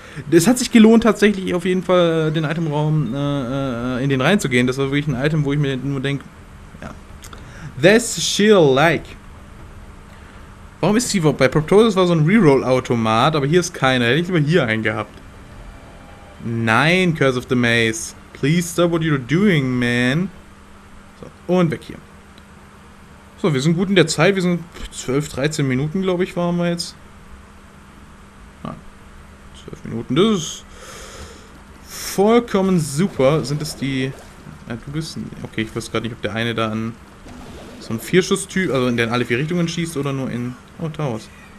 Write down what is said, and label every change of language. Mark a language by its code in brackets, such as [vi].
[de] Es hat sich gelohnt, tatsächlich auf jeden Fall den Itemraum in den reinzugehen. Das war wirklich ein Item, wo ich mir nur denke, ja. [en] This shield like. [de] Warum ist sie bei Proptosis war so ein Reroll-Automat, aber hier ist keiner. Hätte ich lieber hier einen gehabt. Nein, Curse of the Maze. [en] Please stop what you're doing, man. [de] So, und weg hier. So, wir sind gut in der Zeit. Wir sind 12, 13 Minuten, glaube ich, waren wir jetzt. Ah, 12 Minuten, das ist vollkommen super. Sind es die... Ja, du bist... Okay, ich weiß gerade nicht, ob der eine da an... So ein Vierschuss-Typ, also in der in alle vier Richtungen schießt oder nur in... Oh, Taos.